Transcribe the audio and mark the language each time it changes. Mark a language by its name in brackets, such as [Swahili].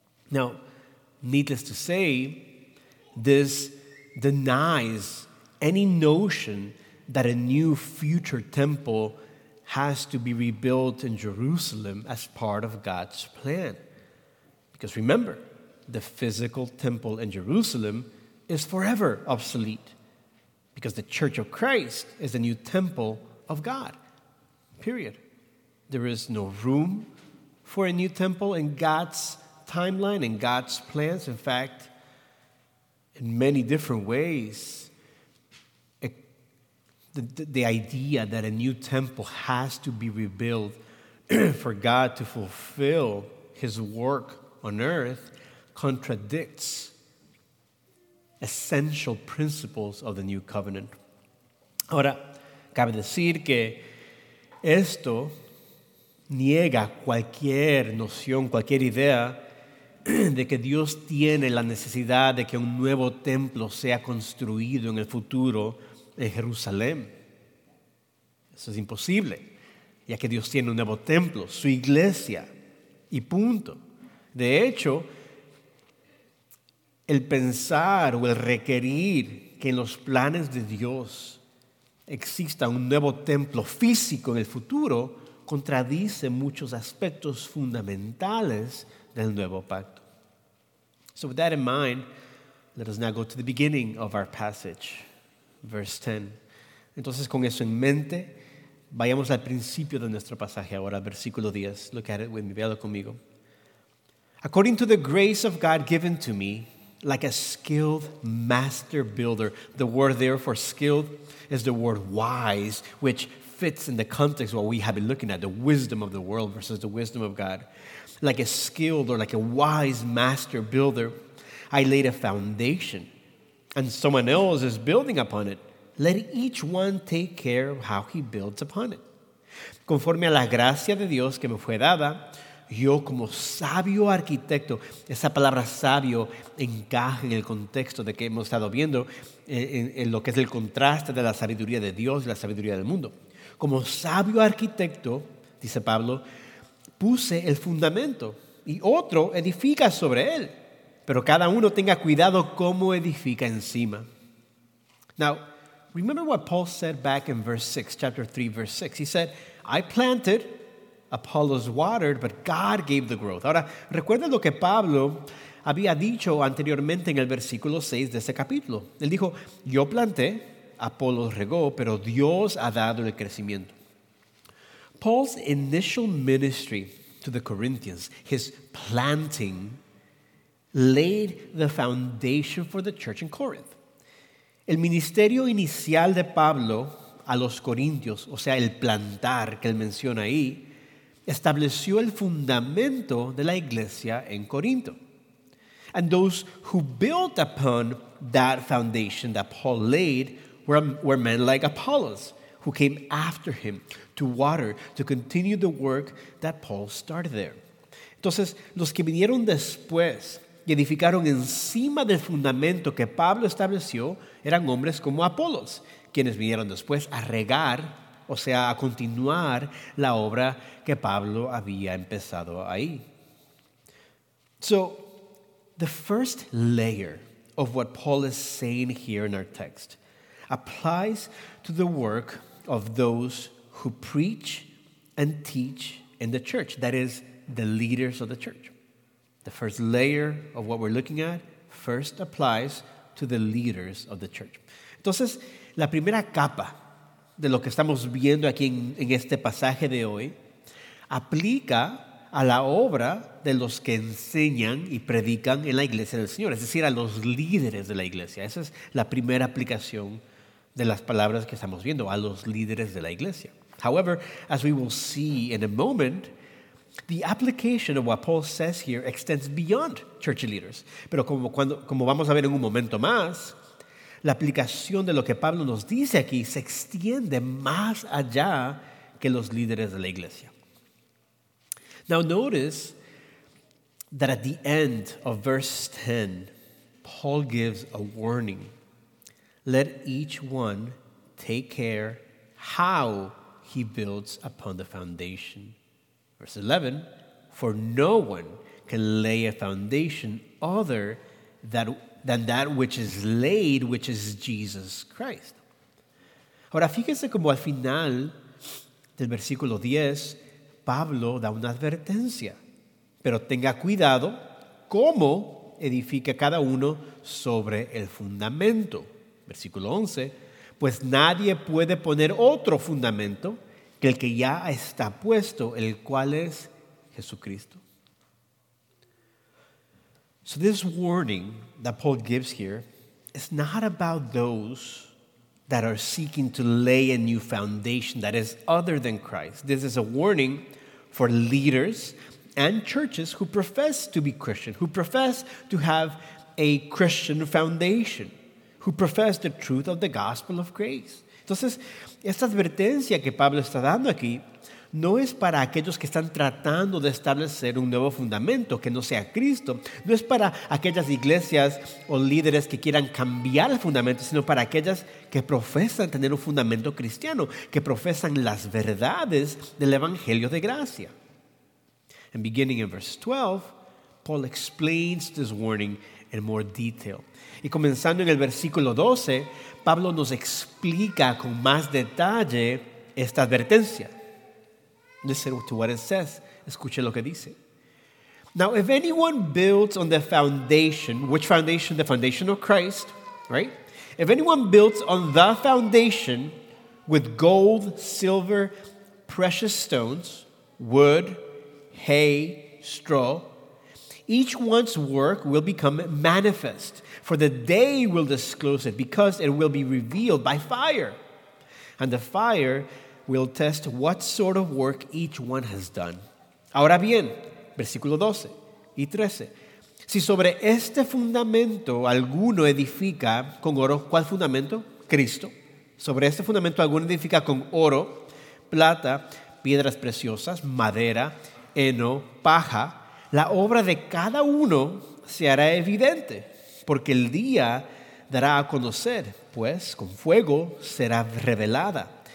[English] Now, needless to say, this denies any notion that a new future temple has to be rebuilt in Jerusalem as part of God's plan. Because remember, the physical temple in Jerusalem is forever obsolete, because the Church of Christ is the new temple of God, period. There is no room for a new temple in God's timeline, in God's plans. In fact, in many different ways, the idea that a new temple has to be rebuilt for God to fulfill his work on earth contradicts essential principles of the new covenant. [Spanish] Ahora, cabe decir que esto niega cualquier noción, cualquier idea de que Dios tiene la necesidad de que un nuevo templo sea construido en el futuro en Jerusalén. Eso es imposible, ya que Dios tiene un nuevo templo, su iglesia, y punto. De hecho, el pensar o el requerir que en los planes de Dios exista un nuevo templo físico en el futuro contradice muchos aspectos fundamentales del nuevo pacto. [English] So with that in mind, let us now go to the beginning of our passage, verse 10. [Spanish] Entonces, con eso en mente, vayamos al principio de nuestro pasaje ahora, versículo 10. Look at it with me, véalo conmigo. [English] According to the grace of God given to me, like a skilled master builder. The word there for skilled is the word wise, which fits in the context of what we have been looking at, the wisdom of the world versus the wisdom of God. Like a skilled or like a wise master builder, I laid a foundation, and someone else is building upon it. Let each one take care of how he builds upon it. [Spanish] Conforme a la gracia de Dios que me fue dada, yo como sabio arquitecto, esa palabra sabio encaja en el contexto de que hemos estado viendo en lo que es el contraste de la sabiduría de Dios y la sabiduría del mundo. Como sabio arquitecto, dice Pablo, puse el fundamento y otro edifica sobre él, pero cada uno tenga cuidado cómo edifica encima. [English] Now, remember what Paul said back in verse 6, chapter 3, verse 6. He said, I planted, Apollos watered, but God gave the growth. [Spanish] Ahora, recuerda lo que Pablo había dicho anteriormente en el versículo 6 de ese capítulo. Él dijo, yo planté, Apollos regó, pero Dios ha dado el crecimiento. [English] Paul's initial ministry to the Corinthians, his planting, laid the foundation for the church in Corinth. [Spanish] El ministerio inicial de Pablo a los corintios, o sea, el plantar que él menciona ahí, estableció el fundamento de la iglesia en Corinto. [English] And those who built upon that foundation that Paul laid were men like Apollos, who came after him to water, to continue the work that Paul started there. [Spanish] Entonces, los que vinieron después y edificaron encima del fundamento que Pablo estableció eran hombres como Apollos, quienes vinieron después a regar, o sea, a continuar la obra que Pablo había empezado ahí. [English] So, the first layer of what Paul is saying here in our text applies to the work of those who preach and teach in the church, that is, the leaders of the church. The first layer of what we're looking at first applies to the leaders of the church. [Spanish] Entonces, la primera capa de lo que estamos viendo aquí en este pasaje de hoy aplica a la obra de los que enseñan y predican en la iglesia del Señor, es decir, a los líderes de la iglesia. Esa es la primera aplicación de las palabras que estamos viendo, a los líderes de la iglesia. [English] However, as we will see in a moment, the application of what Paul says here extends beyond church leaders. [Spanish] Pero como vamos a ver en un momento más, la aplicación de lo que Pablo nos dice aquí se extiende más allá que los líderes de la iglesia. [English] Now notice that at the end of verse 10, Paul gives a warning. Let each one take care how he builds upon the foundation. Verse 11, for no one can lay a foundation other than that which is laid, which is Jesus Christ. [Spanish] Ahora, fíjense cómo al final del versículo 10, Pablo da una advertencia. Pero tenga cuidado cómo edifica cada uno sobre el fundamento. Versículo 11, pues nadie puede poner otro fundamento que el que ya está puesto, el cual es Jesucristo. [English] So this warning that Paul gives here is not about those that are seeking to lay a new foundation that is other than Christ. This is a warning for leaders and churches who profess to be Christian, who profess to have a Christian foundation, who profess the truth of the gospel of grace. [Spanish] Entonces, esta advertencia que Pablo está dando aquí no es para aquellos que están tratando de establecer un nuevo fundamento que no sea Cristo. No es para aquellas iglesias o líderes que quieran cambiar el fundamento, sino para aquellas que profesan tener un fundamento cristiano, que profesan las verdades del Evangelio de Gracia. [English] And beginning in verse 12, Paul explains this warning in more detail. [Spanish] Y comenzando en el versículo 12, Pablo nos explica con más detalle esta advertencia. [English] Listen to what it says. [Spanish] Escuche lo que dice. [English] Now, if anyone builds on the foundation, which foundation? The foundation of Christ, right? If anyone builds on the foundation with gold, silver, precious stones, wood, hay, straw, each one's work will become manifest, for the day will disclose it, because it will be revealed by fire. And the fire will test what sort of work each one has done. [Spanish] Ahora bien, versículo 12 y 13. Si sobre este fundamento alguno edifica con oro, ¿cuál fundamento? Cristo. Sobre este fundamento alguno edifica con oro, plata, piedras preciosas, madera, heno, paja, la obra de cada uno se hará evidente, porque el día dará a conocer, pues con fuego será revelada.